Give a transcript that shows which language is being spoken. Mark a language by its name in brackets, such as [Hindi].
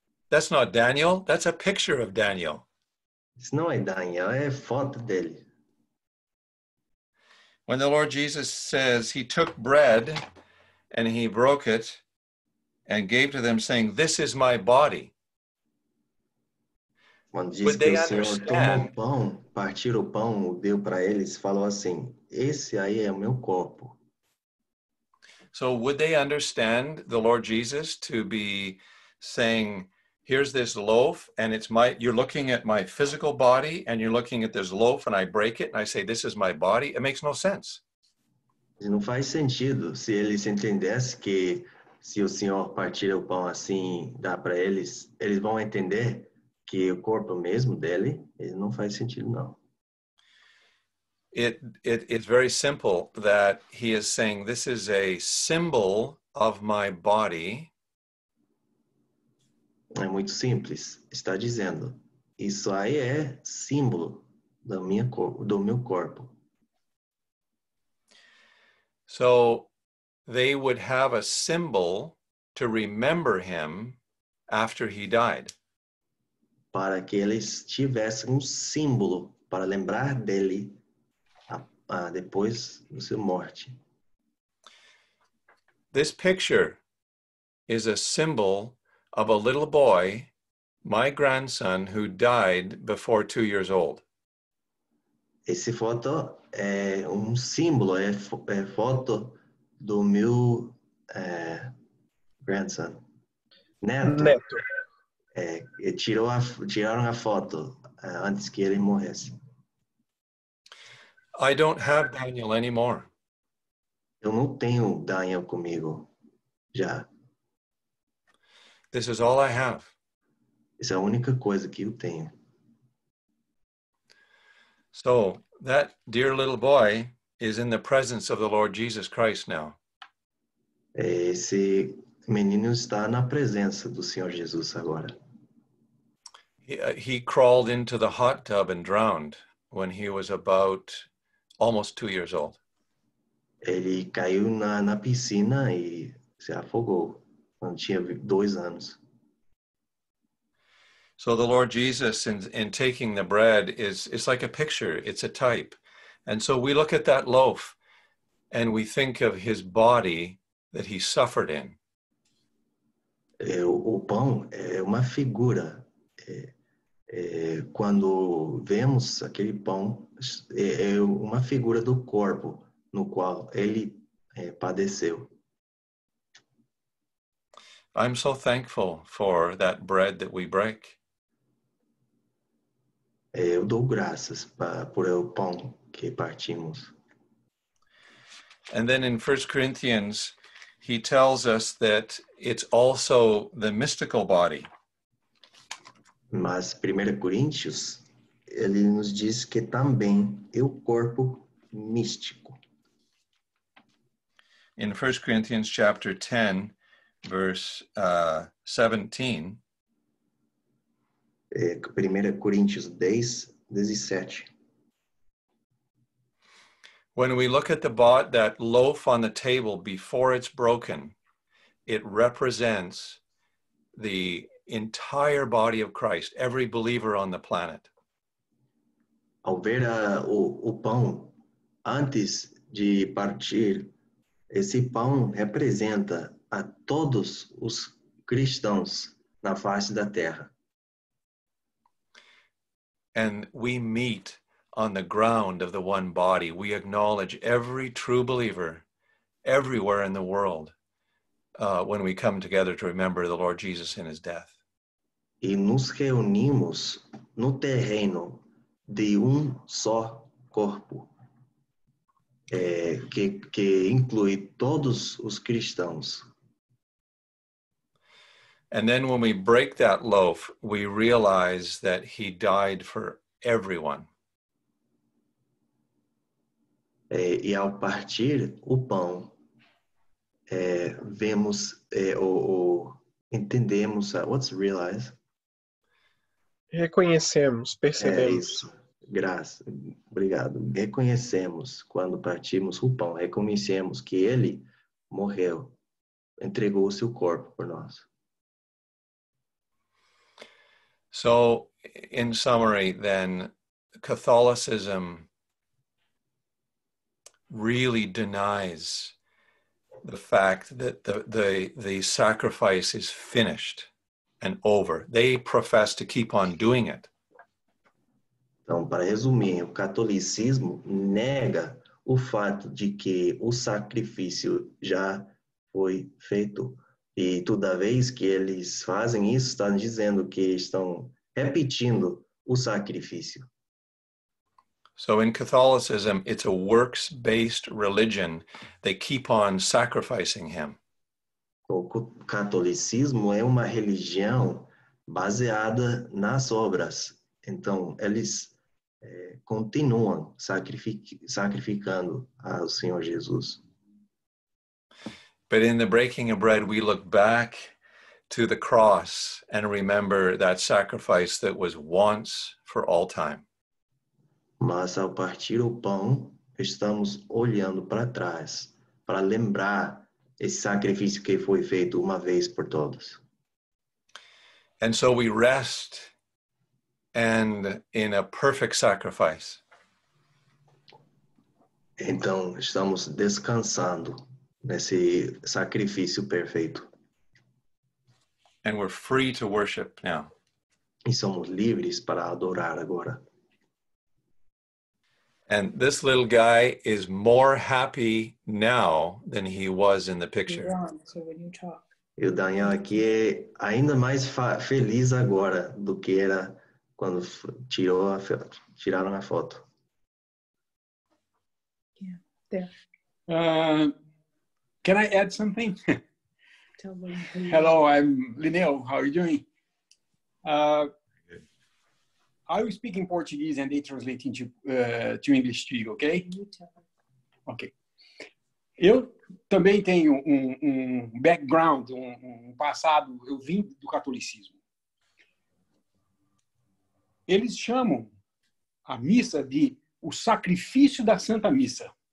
[English] That's not Daniel, that's a picture of Daniel. [Portuguese] Isso não é Daniel, é foto dele. [English] When the Lord Jesus says he took bread and he broke it and gave to them saying, this is my body. [Portuguese] Quando diz que o Senhor tomou pão, partiu o pão, o deu para eles, falou assim, esse aí é o meu corpo. [English] So would they understand the Lord Jesus to be saying, here's this loaf, and it's my, you're looking at my physical body, and you're looking at this loaf, and I break it, and I say, this is my body? It makes no sense. [Portuguese] Não faz sentido se eles entendessem que se o Senhor partir o pão assim, dá para eles, eles vão entender que o corpo mesmo dele, ele não faz sentido, não. [English] It's very simple that he is saying, this is a symbol of my body. [Portuguese] É muito simples. Está dizendo, isso aí é símbolo da minha do meu corpo. [English] So, they would have a symbol to remember him after he died. [Portuguese] Para que eles tivessem símbolo para lembrar dele depois da sua morte. [English] This picture is a symbol of a little boy, my grandson, who died before 2 years old. [Portuguese] Esse foto é símbolo, é foto do meu grandson. Neto. Tiraram a foto antes que ele morresse. [English] I don't have Daniel anymore. [Portuguese] Eu não tenho Daniel comigo já. [English] This is all I have. [Portuguese] Isso é a única coisa que eu tenho. [English] So, that dear little boy is in the presence of the Lord Jesus Christ now. [Portuguese] Esse menino está na presença do Senhor Jesus agora. [English] He crawled into the hot tub and drowned when he was about almost 2 years old. [Portuguese] Ele caiu na piscina e se afogou. Tinha 2 anos. [English] So the Lord Jesus in taking the bread is like a picture, it's a type. And so we look at that loaf and we think of his body that he suffered in. [Portuguese] O pão é uma figura. Quando vemos aquele pão, é uma figura do corpo no qual ele padeceu. [English] I'm so thankful for that bread that we break. [Portuguese] Eu dou graças por o pão que partimos. [English] And then in 1 Corinthians, he tells us that it's also the mystical body. [Portuguese] Mas 1 Coríntios, ele nos diz que também é o corpo místico. [English] In 1 Corinthians chapter 10, verse 17. [Portuguese] 1 Coríntios 10:17. [English] When we look at the bot that loaf on the table before it's broken, it represents the entire body of Christ, every believer on the planet. [Portuguese] Ao ver o pão antes de partir, esse pão representa a todos os cristãos na face da terra. [English] And we meet on the ground of the one body. We acknowledge every true believer everywhere in the world when we come together to remember the Lord Jesus in his death. [Portuguese] E nos reunimos no terreno de só corpo que inclui todos os cristãos. [English] And then when we break that loaf, we realize that he died for everyone. [Portuguese] E ao partir o pão, vemos, entendemos, [English] what's realize? [Portuguese] Reconhecemos, percebemos. É isso. Graças, obrigado. Reconhecemos, quando partimos o pão, reconhecemos que ele morreu, entregou o seu corpo por nós. [English] So, in summary, then, Catholicism really denies the fact that the sacrifice is finished and over. They profess to keep on doing it. [Portuguese] Então, para resumir, o catolicismo nega o fato de que o sacrifício já foi feito. E toda vez que eles fazem isso, estão dizendo que estão repetindo o sacrifício. [English] So in Catholicism, it's a works-based religion. They keep on sacrificing him. [Portuguese] O catolicismo é uma religião baseada nas obras. Então, eles continuam sacrificando ao Senhor Jesus. [English] But in the breaking of bread, we look back to the cross and remember that sacrifice that was once for all time. [Portuguese] Mas ao partir o pão, estamos olhando para trás, para lembrar esse sacrifício que foi feito uma vez por todas. [English] And so we rest and in a perfect sacrifice. [Portuguese] Então, estamos descansando nesse sacrifício perfeito. [English] And we're free to worship now. [Portuguese] E somos livres para adorar agora. [English] And this little guy is more happy now than he was in the picture. [Portuguese] E o Daniel aqui é ainda mais feliz agora do que era quando tiraram a foto. [English] Can I add something? Tell me, hello, I'm Linel. How are you doing? I was speaking Portuguese and they translate into to English to you, okay? Ok. [Portuguese] Eu também tenho um background, um passado, eu vim do catolicismo. Eles chamam a missa de o sacrifício da Santa Missa.